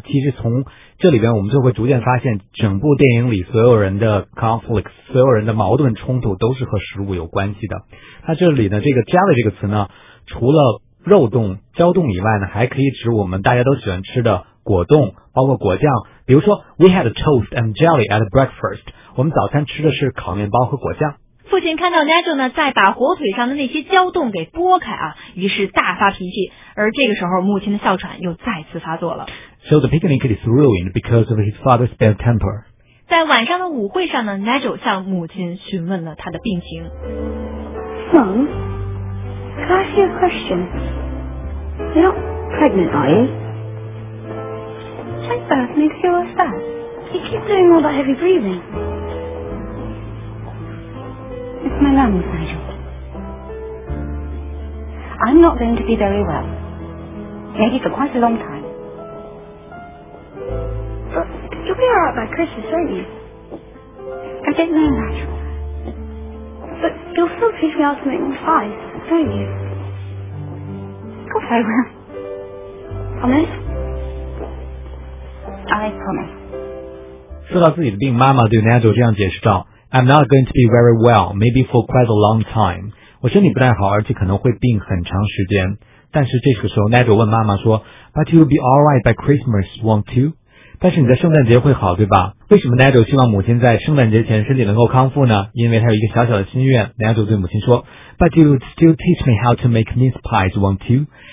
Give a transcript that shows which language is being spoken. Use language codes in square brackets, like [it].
[zh] 其实从这里边，我们就会逐渐发现，整部电影里所有人的 conflict， 所有人的矛盾冲突都是和食物有关系的。那这里呢，这个 jelly 这个词呢，除了肉冻、胶冻以外呢，还可以指我们大家都喜欢吃的果冻，包括果酱。比如说 [en] ，We had toast and jelly at breakfast。 [zh] 我们早餐吃的是烤面包和果酱。父亲看到 Nigel 呢在把火腿上的那些胶冻给剥开啊，于是大发脾气。而这个时候，母亲的哮喘又再次发作了。 [en] So the picnic is ruined because of his father's bad temper. [zh] 在晚上的舞会上呢 ，Nigel 向母亲询问了他的病情。 [en] Mom, can I ask you a question? You're not pregnant, are you? Take birth and you feel worse than. You keep doing all that heavy breathing. It's my lungs, Nigel. I'm not going to be very well. Maybe for quite a long time. But you'll be all right by Christmas, won't you? I don't know, Nigel. But you'll still teach me how to make more pies, don't you? Go very well. Promise? I promise. [zh] 说到自己的病，妈妈对 Nigel 这样解释道。 [en] I'm not going to be very well, maybe for quite a long time. [zh] 我身体不太好，而且可能会病很长时间。但是这个时候 [en] ，Nigel [zh] 问妈妈说 [en] ，But you'll be all right by Christmas, won't you? [zh] 但是你在圣诞节会好，对吧？为什么 Nigel 希望母亲在圣诞节前身体能够康复呢？因为他有一个小小的心愿。 [en] Nigel [zh] 对母亲说 [en] ，But you'll still teach me how to make mince pies, won't you?